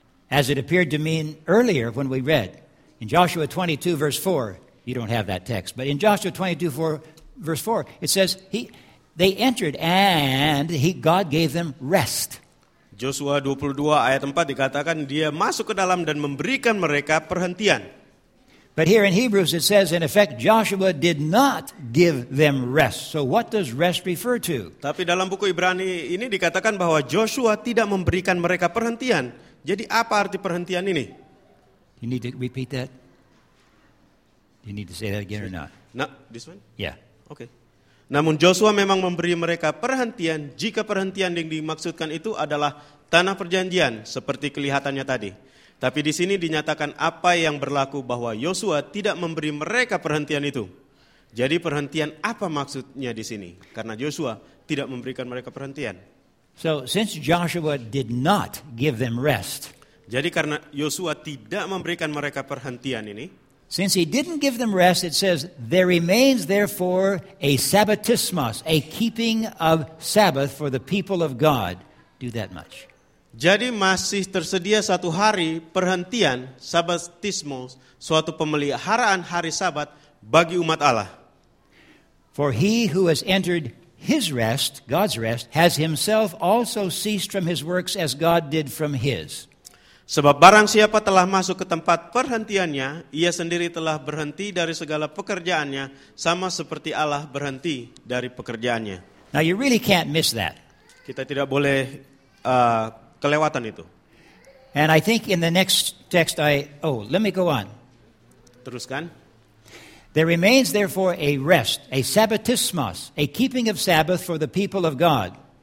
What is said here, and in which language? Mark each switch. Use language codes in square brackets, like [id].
[en] As it appeared to mean earlier when we read in Joshua 22 verse 4, you don't have that text, but in Joshua 22 verse 4, it says they entered and God gave them rest. [id] Joshua 22 ayat 4 dikatakan dia masuk ke dalam dan memberikan mereka perhentian. [en] But here in Hebrews it says, in effect, Joshua did not give them rest. So what does rest refer to? [id] Tapi dalam buku Ibrani ini dikatakan bahwa Joshua tidak memberikan mereka perhentian. Jadi apa arti perhentian ini? [en] You need to repeat that? You need to say that again or not? No, this one? Yeah. [id] Okay. Namun Joshua memang memberi mereka perhentian jika perhentian yang dimaksudkan itu adalah tanah perjanjian seperti kelihatannya tadi. Tapi di sini dinyatakan apa yang berlaku bahwa Joshua tidak memberi mereka perhentian itu. Jadi perhentian apa maksudnya di sini? Karena Joshua tidak memberikan mereka perhentian. [en] So since Joshua did not give them rest. [id] Jadi karena Joshua tidak memberikan mereka perhentian ini. [en] Since he didn't give them rest, it says there remains therefore a sabbatismos, a keeping of Sabbath for the people of God. Do that much. [id] Jadi masih tersedia satu hari perhentian, sabbatismos, suatu pemeliharaan hari Sabat bagi umat Allah. [en] For he who has entered his rest, God's rest, has himself also ceased from his works as God did from his. [id] Sebab barang siapa telah masuk ke tempat perhentiannya, ia sendiri telah berhenti dari segala pekerjaannya, sama seperti Allah berhenti dari pekerjaannya. [en] Now you really can't miss that. [id] Kita tidak boleh kelewatan itu. [en] And I think in the next text let me go on. [id] Teruskan. [en] There remains therefore a rest, a sabbatismos, a keeping of Sabbath for the people of God.